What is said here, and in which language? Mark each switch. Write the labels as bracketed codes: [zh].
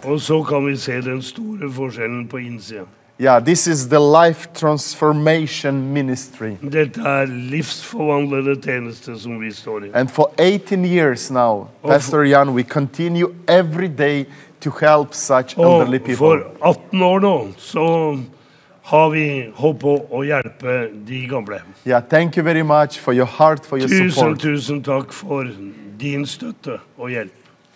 [no] Og så kan vi se den store forskjellen på innsiden. [en] Yeah, this is the life transformation ministry. [no] Dette livsforvandlende tjeneste som vi står I. [en] And for 18 years now, Pastor Jan, we continue every day to help such elderly people. [no] For 18 år nå, så har vi håp på å hjelpe de gamle. [en] Yeah, thank you very much for your heart, for your [no] tusen, [en] support. [no] Tusen takk for din støtte og hjelp.